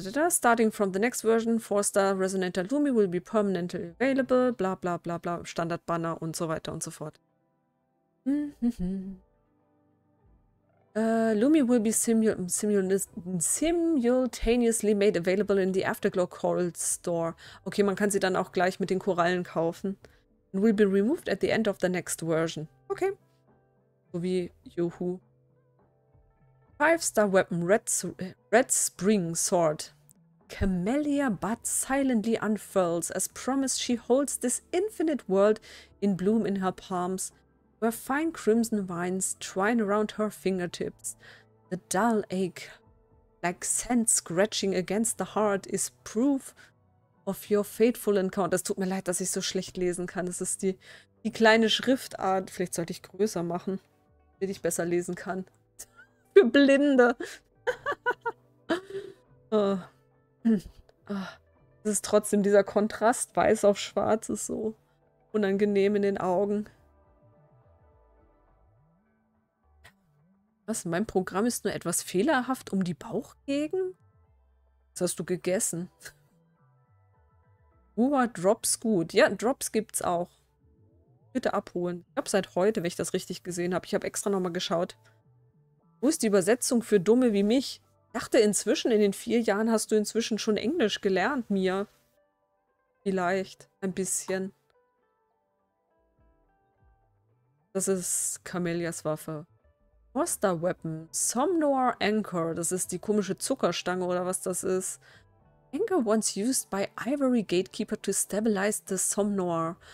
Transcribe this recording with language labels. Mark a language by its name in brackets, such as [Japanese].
[English] Starting from the next version, 4-Star Resonator Lumi will be permanently available. Bla bla bla bla. [German] Standard-Banner und so weiter und so fort. [English] Lumi will be simultaneously made available in the Afterglow Coral Store. [German] Okay, man kann sie dann auch gleich mit den Korallen kaufen. [English] And will be removed at the end of the next version. [German] Okay. So wie Juhu. 5-Star Weapon Red Spring Sword. [English] Camellia Bud silently unfurls. As promised, she holds this infinite world in bloom in her palms. Where fine crimson vines twine around her fingertips. The dull ache, like sand scratching against the heart, is proof of your fateful encounter. [German] Es tut mir leid, dass ich so schlecht lesen kann. Es ist die kleine Schriftart. Vielleicht sollte ich größer machen, damit ich besser lesen kann. Für Blinde. Es ist trotzdem dieser Kontrast. Weiß auf schwarz ist so unangenehm in den Augen. Was? Mein Programm ist nur etwas fehlerhaft um die Bauchgegend? Was hast du gegessen? Uwa, Drops gut. Ja, Drops gibt's auch. Bitte abholen. Ich glaube seit heute, wenn ich das richtig gesehen habe. Ich habe extra nochmal geschaut. Wo ist die Übersetzung für Dumme wie mich? Ich dachte inzwischen, in den 4 Jahren hast du inzwischen schon Englisch gelernt, Mia. Vielleicht. Ein bisschen. Das ist Camellias Waffe. 4-Star Weapon, Somnor Anchor, das ist die komische Zuckerstange oder was das ist. [English] Anchor once used by Ivory Gatekeeper to stabilize the Somnor.